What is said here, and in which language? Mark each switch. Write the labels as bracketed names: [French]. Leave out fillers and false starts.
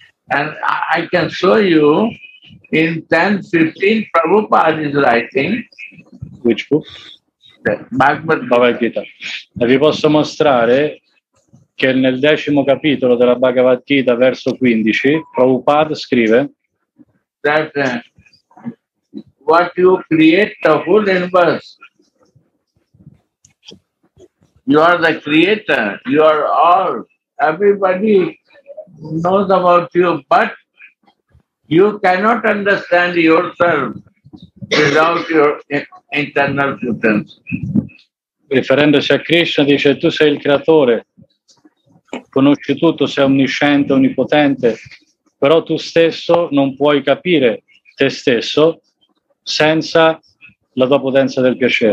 [English] And I can show you in 10-15 Prabhupada is writing. Which book? Bhagavad Gita. [Italian] E vi posso mostrare che nel 10° capitolo della Bhagavad Gita, verso 15, Prabhupada scrive [English] that what you create the whole universe, you are the creator, you are all, everybody knows about you, but You cannot understand yourself without your internal students. [Italian] Riferendosi a Krishna, dice: tu sei il creatore, conosci tutto, sei onnisciente, onnipotente, però tu stesso non puoi capire te stesso senza la tua potenza del piacere.